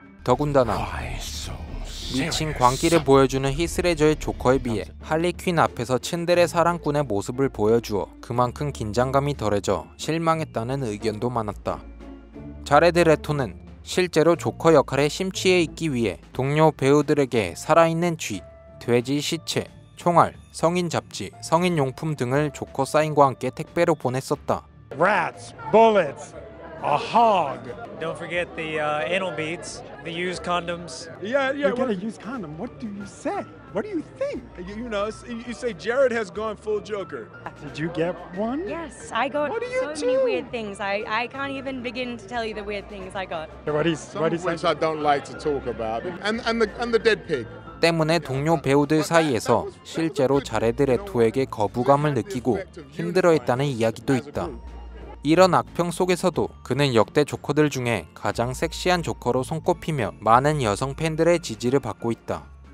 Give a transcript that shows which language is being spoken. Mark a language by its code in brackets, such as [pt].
[ko] 더군다나 미친 광기를 보여주는 히스레저의 조커에 비해 할리퀸 앞에서 츤데레 사랑꾼의 모습을 보여주어 그만큼 긴장감이 덜해져 실망했다는 의견도 많았다. 자레드 레토는 실제로 조커 역할에 심취해 있기 위해 동료 배우들에게 살아있는 쥐, 돼지 시체, 총알, 성인 잡지, 성인 용품 등을 조커 사인과 함께 택배로 보냈었다. [en] Rats, bullets, a hog. Don't forget the anal beads, the used condoms. Yeah, yeah. You got a used condom. What do you say? What do you think? You know, you say Jared has gone full Joker. Did you get one? Yes, I got so many weird things. I can't even begin to tell you the weird things I got. Some of which I don't like to talk about. And the dead pig. [ko] 때문에 동료 배우들 사이에서 실제로 자레드 레토에게 거부감을 느끼고 힘들어했다는 이야기도 있다. 이런 악평 속에서도 그는 역대 조커들 중에 가장 섹시한 조커로 손꼽히며 많은 여성 팬들의 지지를 받고 있다.